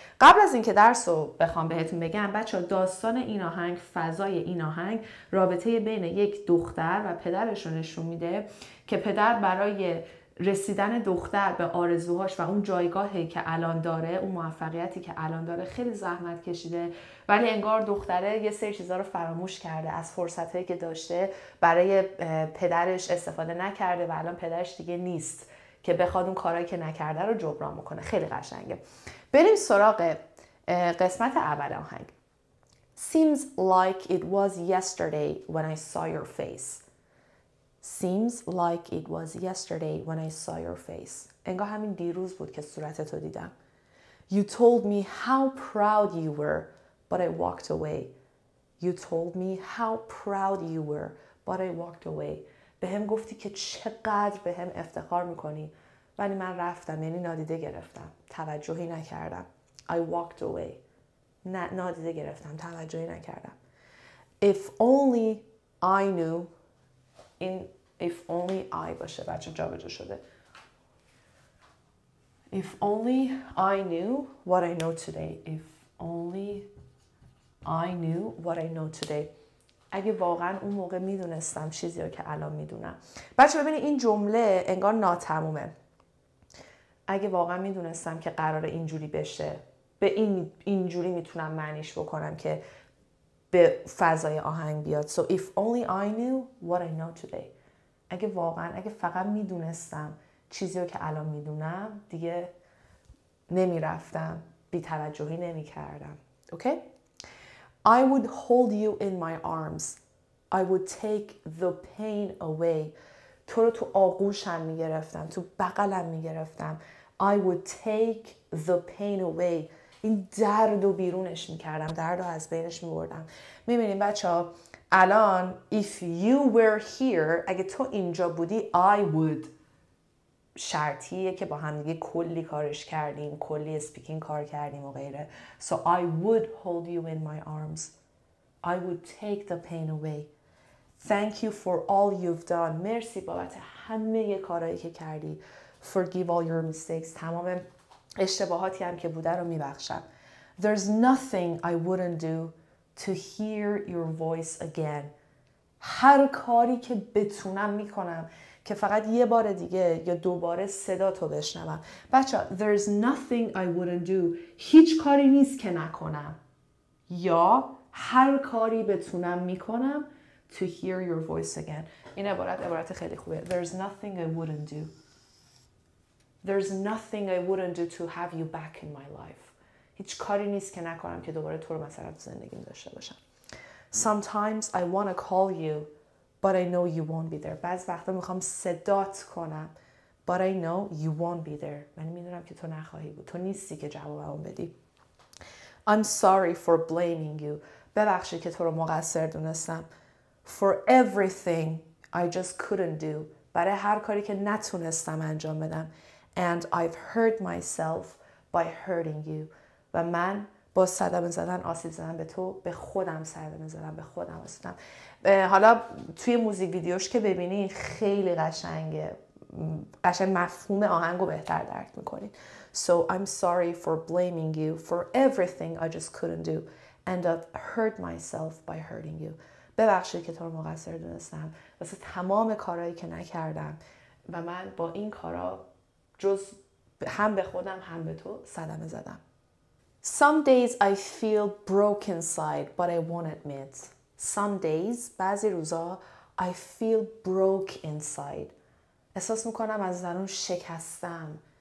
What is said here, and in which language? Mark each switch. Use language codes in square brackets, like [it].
[fa] قبل از اینکه درس رو بخوام بهتون بگم، بچه ها داستان این آهنگ، فضای این آهنگ رابطه بین یک دختر و پدرش رو نشون میده که پدر برای رسیدن دختر به آرزوهاش و اون جایگاهی که الان داره، اون موفقیتی که الان داره، خیلی زحمت کشیده، ولی انگار دختره یه سری چیزا رو فراموش کرده، از فرصتهایی که داشته برای پدرش استفاده نکرده و الان پدرش دیگه نیست که بخواد اون کارهایی که نکرده رو جبران میکنه. خیلی قشنگه. بریم سراغ قسمت اول آهنگ. [en] Seems like it was yesterday when I saw your face. Seems like it was yesterday when I saw your face. [fa] انگار همین دیروز بود که صورتتو دیدم. [en] You told me how proud you were, but I walked away. You told me how proud you were, but I walked away. [fa] بهم گفتی که چقدر بهم افتخار میکنی، ولی من رفتم، یعنی نادیده گرفتم، توجهی نکردم. [en] I walked away. [fa] نادیده گرفتم، توجهی نکردم. [en] If only I knew. [fa] این [en] if only I [fa] باشه، بچه جا به جا شده. [en] If only I knew what I know today. If only I knew what I know today. [fa] اگه واقعا اون موقع میدونستم چیزی رو که الان میدونم. بچه ببینید این جمله انگار ناتمومه. اگه واقعا میدونستم که قراره اینجوری بشه، به این اینجوری میتونم معنیش بکنم که به فضای آهنگ بیاد. [en] So if only I knew what I know today. [fa] اگه واقعا، اگه فقط میدونستم چیزی رو که الان میدونم، دیگه نمیرفتم، بی توجهی نمی کردم. [en] Okay? I would hold you in my arms. I would take the pain away. [fa] تو رو تو آغوشم میگرفتم، تو بغلم میگرفتم. [en] I would take the pain away. [fa] این درد رو بیرونش میکردم، درد رو از بینش میبردم. میبینیم بچه ها الان [en] if you were here، [fa] اگه تو اینجا بودی، I would شرطیه که با هم دیگه کلی کارش کردیم، کلی speaking کار کردیم و غیره. [en] So I would hold you in my arms. I would take the pain away. Thank you for all you've done. [fa] مرسی بابت همه یه کارهایی که کردی. [en] Forgive all your mistakes. [fa] تمامه اشتباهاتی هم که بوده رو میبخشم. [en] There's nothing I wouldn't do to hear your voice again. [fa] هر کاری که بتونم میکنم که فقط یه بار دیگه یا دوباره صدا تو بشنوم. بچه‌ها [en] there's nothing I wouldn't do. [fa] هیچ کاری نیست که نکنم. یا هر کاری بتونم میکنم [en] to hear your voice again. [fa] این عبارت خیلی خوبه. [en] There's nothing I wouldn't do. There's nothing I wouldn't do to have you back in my life. [fa] هیچ کاری نیست که نکنم که دوباره تو رو مثلا تو زندگیم داشته باشم. [en] Sometimes I want to call you, but I know you won't be there. [fa] بعض وقتا میخوام صدات کنم, [en] but I know you won't be there. [fa] من میدونم که تو نخواهی بود. تو نیستی که جوابمو بدی. [en] I'm sorry for blaming you. [fa] ببخشی که تو رو مقصر دونستم. [en] For everything I just couldn't do. [fa] برای هر کاری که نتونستم انجام بدم. [en] And I've hurt myself by hurting you. [fa] و من با صدمه زدن آسیب زدم به تو, به خودم صدمه زدم, به خودم آسیب زدم. حالا توی موزیک ویدیوش که ببینی خیلی قشنگه, قشنگ مفهوم آهنگو بهتر درک میکنی. [en] So I'm sorry for blaming you for everything I just couldn't do and I've hurt myself by hurting you. [fa] ببخشید که تو رو مقصر دونستم واسه تمام کارهایی که نکردم و من با این کارا جز هم به خودم هم به تو صدمه زدم. [en] Some days I feel broken inside, but I won't admit. Some days, [fa] بعضی روزا, [en] I feel broke inside. [fa] احساس میکنم از درون شکستم.